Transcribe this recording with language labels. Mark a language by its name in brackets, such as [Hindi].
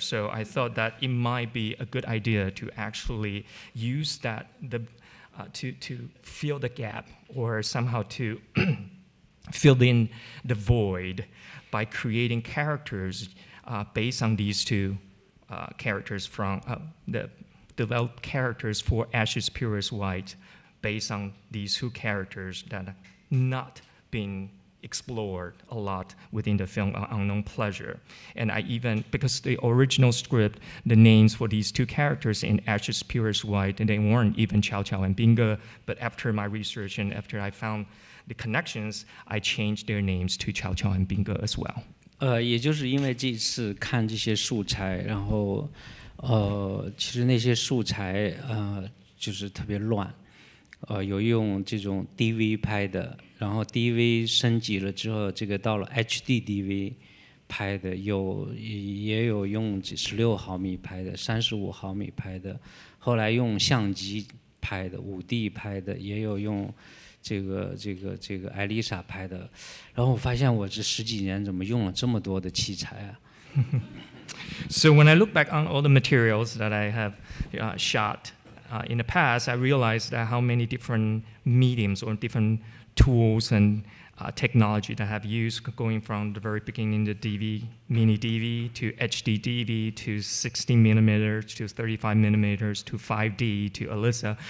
[English] So I thought that it might be a good idea to actually use that to fill the gap or somehow to fill in the void by creating characters based on these two characters from the developed characters for Ash Is Purest White, based on these two characters that are not being explored a lot within the film Unknown Pleasure. And I even, because the original script, the names for these two characters in Ash Is Purest White, and they weren't even Chow Chow and Binga, but after my research and after I found the connections, I changed their names to Chow Chow and Binga as well. [Chinese] 也就是因为这次看这些素材，然后其实那些素材就是特别乱，有用这种DV拍的。然后DV升级了之后， 这个到了HDDV 拍的， 也有用16毫米拍的， 35毫米拍的， 后来用相机拍的， 5D拍的， 也有用这个Elisa拍的。然后我发现我这十几年怎么用了这么多的器材啊。 [English] So when I look back on all the materials that I have shot in the past, I realized that how many different mediums or different tools and technology that I have used, going from the very beginning, the DV, mini DV, to HD DV, to 16 millimeters, to 35 millimeters, to 5D, to Alyssa.